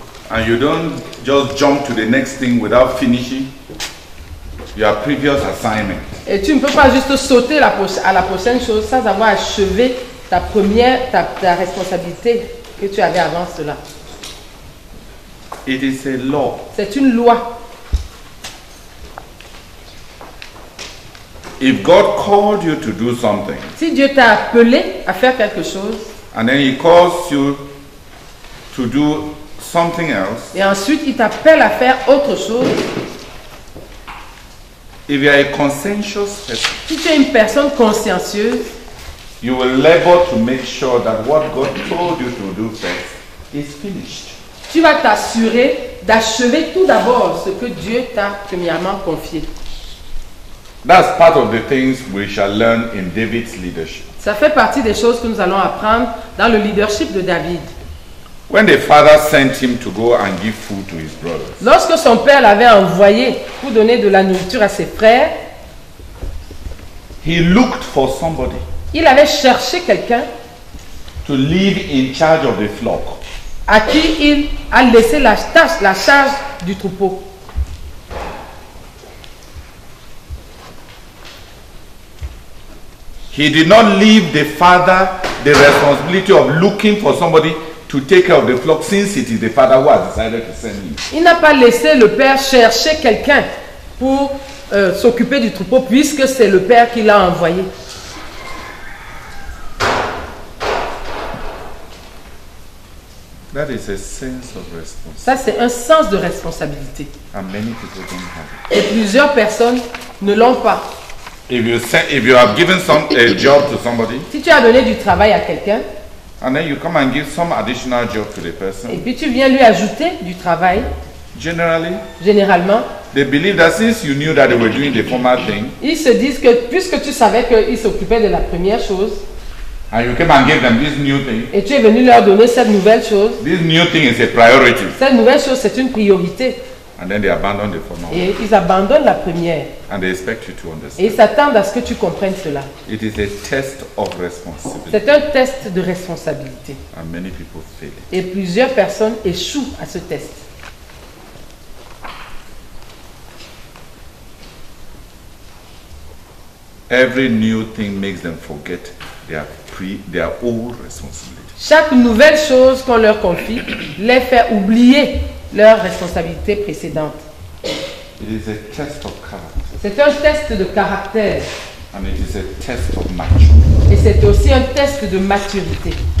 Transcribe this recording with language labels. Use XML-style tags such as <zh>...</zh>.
<en>And you don't just jump to the next thing without finishing your previous assignment.</en> <fr>Et tu ne peux pas juste sauter à la prochaine chose sans avoir achevé ta première, ta responsabilité que tu avais avant cela.</fr> <en>It is a law.</en> <fr>C'est une loi.</fr> <en>If God called you to do something,</en> <fr>si Dieu t'a appelé à faire quelque chose,</fr> <en>and then he calls you to do something else,</en> <fr>et ensuite il t'appelle à faire autre chose,</fr> <en>if you are a conscientious person,</en> <fr>si tu es une personne consciencieuse,</fr> <en>you will labor to make sure that what God told you to do first is finished.</en> <fr>Tu vas t'assurer d'achever tout d'abord ce que Dieu t'a premièrement confié.</fr> <en>That's part of the things we shall learn in David's leadership.</en> <fr>Ça fait partie des choses que nous allons apprendre dans le leadership de David.</fr> <en>When the father sent him to go and give food to his brothers.</en> <fr>Lorsque son père l'avait envoyé pour donner de la nourriture à ses frères,</fr> <en>he looked for somebody.</en> <fr>Il avait cherché quelqu'un</fr> <en>to leave in charge of the flock.</en> <fr>À qui il a laissé la tâche, la charge du troupeau.</fr> <en>He did not leave the father the responsibility of looking for somebody to take care of the flock, since it is the father who has decided to send him.</en> <fr>Il n'a pas laissé le père chercher quelqu'un pour s'occuper du troupeau, puisque c'est le père qui l'a envoyé.</fr> <en>That is a sense of responsibility.</en> <fr>Ça, c'est un sens de responsabilité.</fr> <en>And many people don't have it.</en> <fr>Et plusieurs personnes ne l'ont pas. Si tu as donné du travail à quelqu'un,</fr> <en>and then you come and give some additional job to the person,</en> <fr>et puis tu viens lui ajouter du travail, généralement, ils se disent que puisque tu savais qu'ils s'occupaient de la première chose,</fr> <en>and you came and gave them this new thing.</en> <fr>Et tu es venu leur donner cette nouvelle chose.</fr> <en>This new thing is a priority.</en> <fr>Cette nouvelle chose, c'est une priorité.</fr> <en>And then they abandon the former.</en> <fr>Et ils abandonnent la première.</fr> <en>And they expect you to understand.</en> <fr>Et ils s'attendent à ce que tu comprennes cela.</fr> <en>It is a test of responsibility.</en> <fr>C'est un test de responsabilité.</fr> <en>And many people fail.</en> <fr>Et plusieurs personnes échouent à ce test.</fr> <en>Every new thing makes them forget their old responsibility.</en> <fr>Chaque nouvelle chose qu'on leur confie les fait oublier leur responsabilité précédente.</fr> <en>It is a test of character.</en> <fr>C'est un test de caractère.</fr> <en>And it is a test of maturity.</en> <fr>Et c'est aussi un test de maturité.</fr>